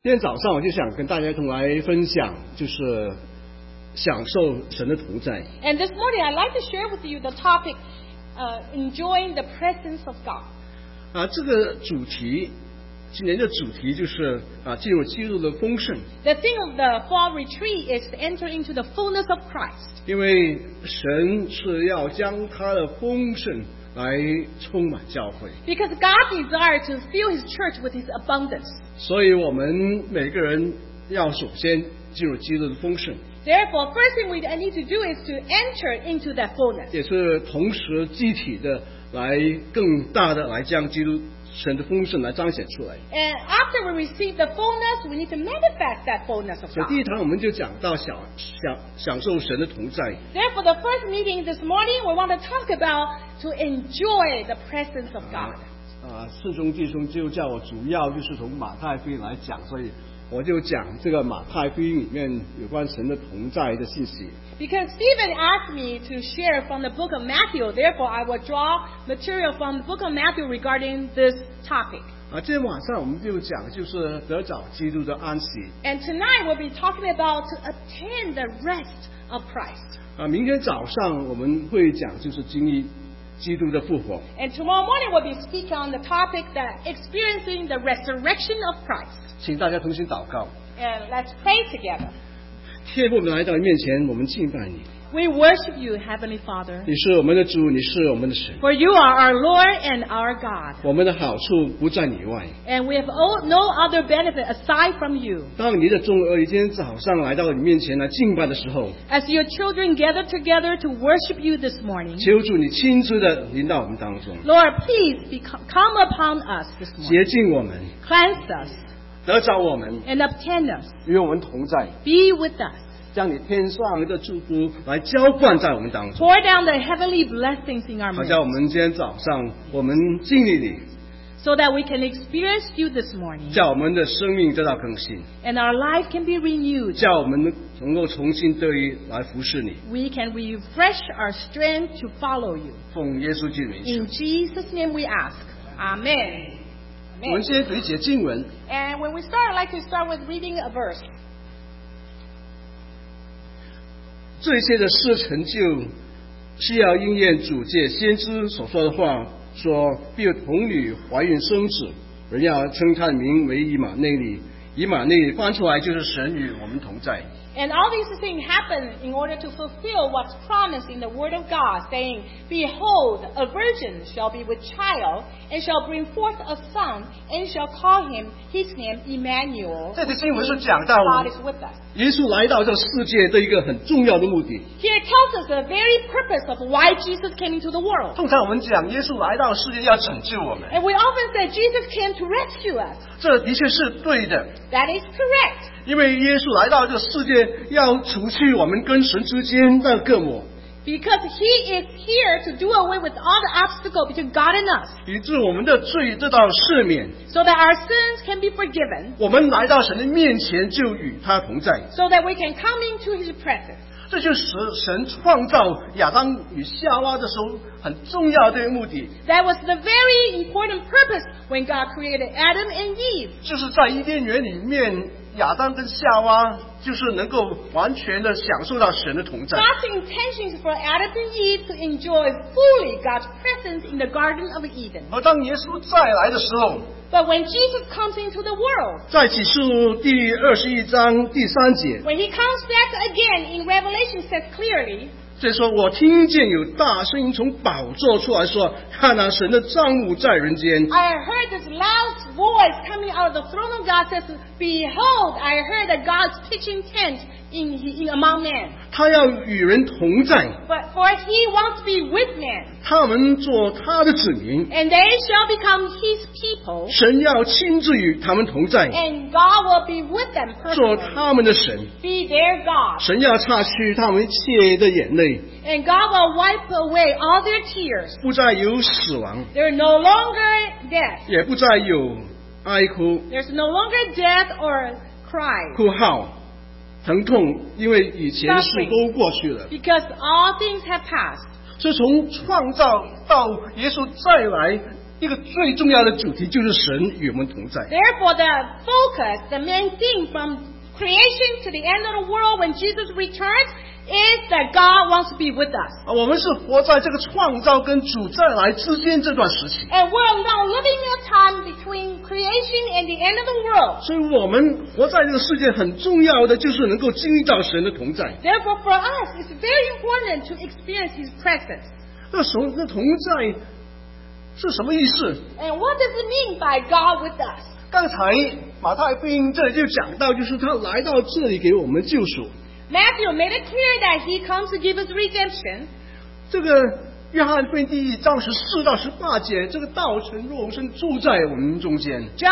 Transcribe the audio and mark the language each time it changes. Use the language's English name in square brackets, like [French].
[Chinese] 今天早上我就想跟大家同来分享，就是享受神的同在。 [English] And this morning, I'd like to share with you the topic, enjoying the presence of God. [Chinese] 啊，这个主题，今年的主题就是啊，进入基督的丰盛。 [English] The theme of the fall retreat is to enter into the fullness of Christ. [Chinese] 因为神是要将他的丰盛来充满教会。 [English] Because God desires to fill His church with His abundance. [Chinese] 所以我们每个人要首先进入基督的丰盛。 [English] Therefore, first thing we need to do is to enter into that fullness. [Chinese] 也是同时具体的来更大的来将基督神的丰盛来彰显出来。 [English] And after we receive the fullness, we need to manifest that fullness of God. [Chinese] 所以第一堂我们就讲到享受神的同在。 [English] Therefore, the first meeting this morning, we want to talk about to enjoy the presence of God. [Chinese] 四中弟兄就叫我主要就是从马太福音来讲，所以我就讲这个马太福音里面有关神的同在的信息。 [English] Because Stephen asked me to share from the book of Matthew, therefore I will draw material from the book of Matthew regarding this topic. [Chinese] 今天晚上我们就讲就是得着基督的安息。 [English] And tonight we'll be talking about to obtain the rest of Christ. [Chinese] 明天早上我们会讲就是经历基督的复活。 [English] And tomorrow morning we'll be speaking on the topic that experiencing the resurrection of Christ. [Chinese] 请大家同心祷告。 [English] And let's pray together. [Chinese] 天父，我们来到你面前，我们敬拜你。 [English] We worship you, Heavenly Father. [Chinese] 你是我们的主，你是我们的神。 [English] For you are our Lord and our God. [Chinese] 我们的好处不在你外。 [English] And we have no other benefit aside from you. [Chinese] 当你的众儿女今天早上来到你面前来敬拜的时候 [English] ，As your children gather together to worship you this morning. [Chinese] 求主你亲自的临到我们当中。 [English] Lord, please come upon us this morning. [Chinese] 洁净我们。 [English] Cleanse us. [Chinese] 得着我们 [English] and obtain us, [Chinese] 与我们同在 [English] be with us, [Chinese] 将你天上的祝福来浇灌在我们当中 [English] pour down the heavenly blessings in our midst, [Chinese] 好像我们今天早上我们经历你 [English] so that we can experience you this morning, [Chinese] 叫我们的生命得到更新 [English] and our life can be renewed, [Chinese] 叫我们能够重新得以来服侍你 [English] we can refresh our strength to follow you, [Chinese] 奉耶稣基督名 [English] in Jesus' name we ask, Amen. [Chinese] 我们先读一节经文。 [English] And when we start, I'd like to start with reading a verse. [Chinese] 这些的事成就是要应验主借先知所说的话，说必有童女怀孕生子，人要称他的名为以马内利。以马内利翻出来就是神与我们同在。 [English] And all these things happen in order to fulfill what's promised in the word of God, saying, Behold, a virgin shall be with child, and shall bring forth a son, and shall call him his name Emmanuel. [Chinese] 这些经文是讲到耶稣来到这世界的一个很重要的目的。 [English] Here it tells us the very purpose of why Jesus came into the world. [Chinese] 通常我们讲耶稣来到世界要拯救我们。 [English] And we often say Jesus came to rescue us. [Chinese] 这的确是对的。 [English] That is correct. [Chinese] 因为耶稣来到这世界，要除去我们跟神之间的隔膜。 [English] Because he is here to do away with all the obstacle between God and us. [Chinese] 以致我们的罪得到赦免。 [English] So that our sins can be forgiven. [Chinese] 我们来到神的面前，就与他同在。 [English] So that we can come into his presence. [Chinese] 这就是神创造亚当与夏娃的时候很重要的目的。 [English] That was the very important purpose when God created Adam and Eve. [Chinese] 就是在伊甸园里面。亚当跟夏娃就是能够完全的享受到神的同在。 [English] God's intention is for Adam and Eve to enjoy fully God's presence in the Garden of Eden. [Chinese] 而当耶稣再来的时候 [English] ，But when Jesus comes into the world， [Chinese] 在启示录第二十一章第三节 [English] ，When he comes back again in Revelation says clearly， [Chinese] 这说我听见有大声音从宝座出来说，看啊，神的帐幕在人间。 [English] I heard this loud voice coming out of the throne of God says。 Behold, I heard that God's pitching tent in among men. [Chinese] 他要与人同在。 [English] But for he wants to be with men. [Chinese] 他们做他的子民。 [English] And they shall become his people. [Chinese] 神要亲自与他们同在。 [English] And God will be with them personally. [Chinese] 做他们的神。 [English] Be their God. [Chinese] 神要擦去他们一切的眼泪。 [English] And God will wipe away all their tears. [Chinese] 不再有死亡。 [English] There are no longer death. [Chinese] 也不再有哀哭 [English] There's no longer death or cry. [Chinese] 哭号，疼痛，因为以前的事都过去了。 [English] Because all things have passed. [Chinese] 所以从创造到耶稣再来，一个最重要的主题就是神与我们同在。 [English] Therefore, the focus, the main theme from creation to the end of the world when Jesus returns is that God wants to be with us. [Chinese] 我们是活在这个创造跟主再来之间这段时期。 [English] And we're now living a time between creation and the end of the world. [Chinese] 所以我们活在这个世界很重要的就是能够经历到神的同在。 [English] Therefore, for us, it's very important to experience His presence. [Chinese] 那同在是什么意思？ [English] And what does it mean by God with us? [Chinese] 刚才马太福音这里就讲到，就是他来到这里给我们救赎。 [English] Matthew made it clear that he comes to give us redemption. [Chinese] 这个约翰福音第一章十四到十八节，这个道成肉身住在我们中间。